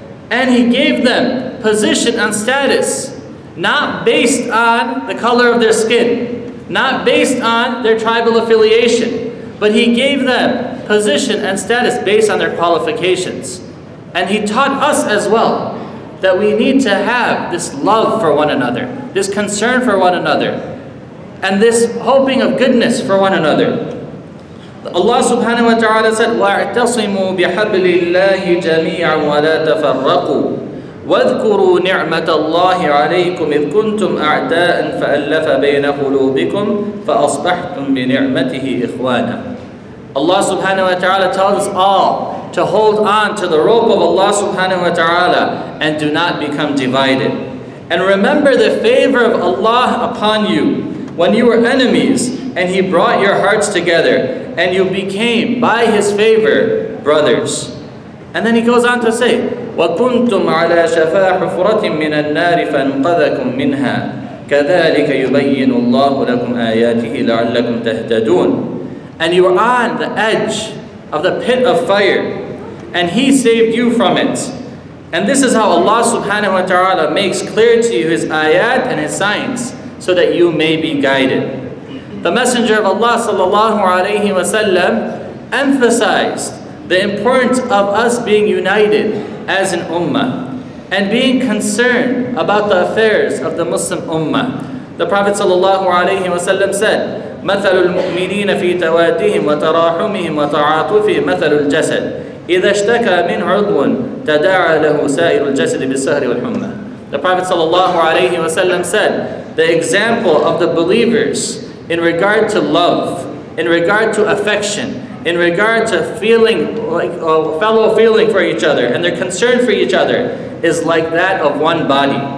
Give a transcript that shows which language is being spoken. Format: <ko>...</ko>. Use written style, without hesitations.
<en>And he gave them position and status, not based on the color of their skin, not based on their tribal affiliation, but he gave them position and status based on their qualifications. And he taught us as well that we need to have this love for one another, this concern for one another, and this hoping of goodness for one another. Allah subhanahu wa ta'ala said,</en> <ar>وَاعْتَصِمُوا بِحَبْلِ اللَّهِ جَمِيعًا وَلَا تَفَرَّقُوا وَاذْكُرُوا نِعْمَةَ اللَّهِ عَلَيْكُمْ إِذْ كُنْتُمْ أَعْدَاءً فَأَلَّفَ بَيْنَ قُلُوبِكُمْ فَأَصْبَحْتُمْ بِنِعْمَتِهِ إِخْوَانًا.</ar> <en>Allah subhanahu wa ta'ala tells us all to hold on to the rope of Allah subhanahu wa ta'ala and do not become divided. And remember the favor of Allah upon you when you were enemies and He brought your hearts together and you became, by His favor, brothers. And then he goes on to say,</en> <ar>وَكُنْتُمْ عَلَى شَفَا حُفْرَةٍ مِّنَ النَّارِ فَانْقَذَكُمْ مِّنْهَا كَذَلِكَ يُبَيِّنُ اللَّهُ لَكُمْ آيَاتِهِ لَعَلَّكُمْ تَهْتَدُونَ.</ar> <en>And you were on the edge of the pit of fire, and He saved you from it. And this is how Allah subhanahu wa ta'ala makes clear to you His ayat and His signs, so that you may be guided. The Messenger of Allah sallallahu alayhi wa sallam emphasized the importance of us being united as an ummah and being concerned about the affairs of the Muslim ummah. The Prophet sallallahu alayhi wa sallam said,</en> <ar>مَثَلُ الْمُؤْمِنِينَ فِي تَوَادِّهِمْ وَتَرَاحُمِهِمْ وَتَعَاطُفِهِمْ مَثَلُ الْجَسَدِ إِذَا اشْتَكَى مِنْ عُضْوٌ تَدَاعَى لَهُ سَائِرُ الْجَسَدِ بِالسَّهْرِ وَالْحُمَّى.</ar> <en>The Prophet sallallahu alayhi wa sallam said, the example of the believers in regard to love, in regard to affection, in regard to feeling like a fellow feeling for each other and their concern for each other is like that of one body.</en>